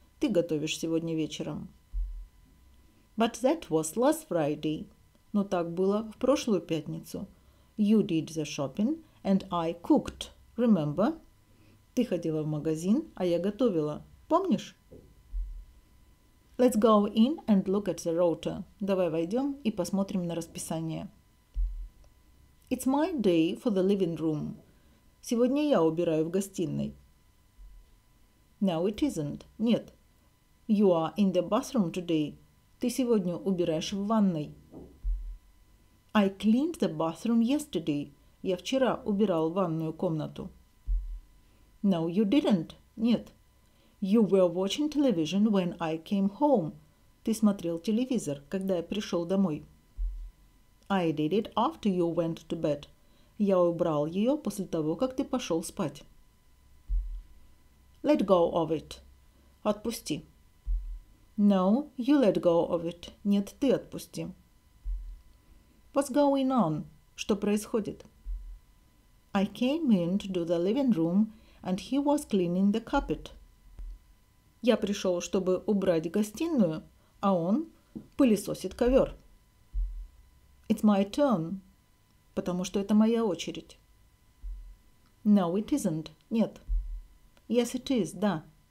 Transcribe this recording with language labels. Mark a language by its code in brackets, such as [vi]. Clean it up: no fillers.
[ru] Ты готовишь сегодня вечером. [en] But that was last Friday. [ru] Но так было в прошлую пятницу. [en] You did the shopping and I cooked. Remember? [ru] Ты ходила в магазин, а я готовила. Помнишь? [en] Let's go in and look at the rota. [ru] Давай войдем и посмотрим на расписание. [en] It's my day for the living room. [ru] Сегодня я убираю в гостиной. [en] No, it isn't. [ru] Нет. [en] You are in the bathroom today. [ru] Ты сегодня убираешь в ванной. [en] I cleaned the bathroom yesterday. [ru] Я вчера убирал ванную комнату. [en] No, you didn't. [ru] Нет. [en] You were watching television when I came home. [ru] Ты смотрел телевизор, когда я пришел домой. [en] I did it after you went to bed. [ru] Я убрал ее после того, как ты пошел спать. [en] Let go of it. [ru] Отпусти. [en] No, you let go of it. [ru] Нет, ты отпусти. [en] What's going on? [ru] Что происходит? [en] I came in to do the living room, and he was cleaning the carpet. [ru] Я пришел, чтобы убрать гостиную, а он пылесосит ковер. [en] It's my turn. [ru] Потому что это моя очередь. [en] No, it isn't. [ru] Нет. [en] Yes, it is. [ru] Да.